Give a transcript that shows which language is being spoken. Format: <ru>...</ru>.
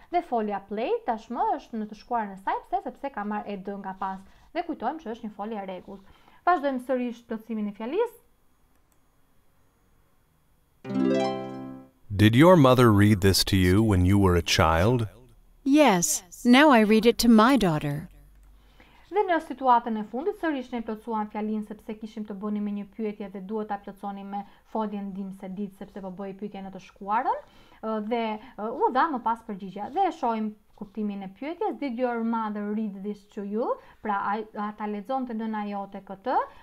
<sq>Dhe folja play tashmë është në të shkuarën e saj, sepse ka marrë ed nga pas. Dhe kujtojmë që është një folje e rregullt. Vazhdojmë sërish plotësimin e fjalisë.</sq> <en>Did your mother read this to you when you were a child? Yes, now I read it to my daughter.</en> <sq>Dhe në situatën e fundit, sërish ne plotësuam fjalin sepse kishim të bëni me një pyetje dhe duhet ta plotësonim me foljen ndihmëse did sepse po bëj pyetje në të shkuarën. Dhe u dha më pas përgjigja. Dhe e shohim kuptimin e pyetjes.</sq> <en>Did your mother read this to you?</en> <sq>Pra, a ta lexonte nëna jote këtë?</sq>